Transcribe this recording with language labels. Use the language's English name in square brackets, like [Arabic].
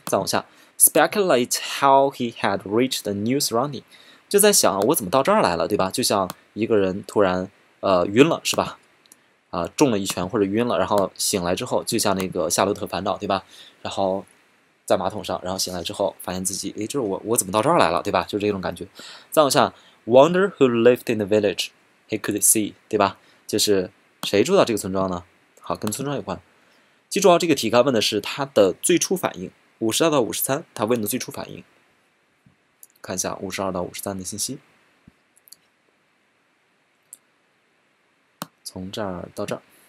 [Chinese] 再往下， [English] speculate how he had reached the new surrounding， [Chinese] 就在想我怎么到这儿来了，对吧？就像一个人突然晕了是吧？中了一拳或者晕了，然后醒来之后，就像那个《夏洛特烦恼》，对吧？然后。在马桶上，然后醒来之后，发现自己，哎，这是我怎么到这儿来了，对吧？就是这种感觉。再往下， [English] Wonder who lived in the village he could see， [Chinese] 对吧？就是谁住到这个村庄呢？好，跟村庄有关。记住啊，这个题干问的是他的最初反应， 52到53，他问的最初反应。看一下52到53的信息，从这儿到这儿。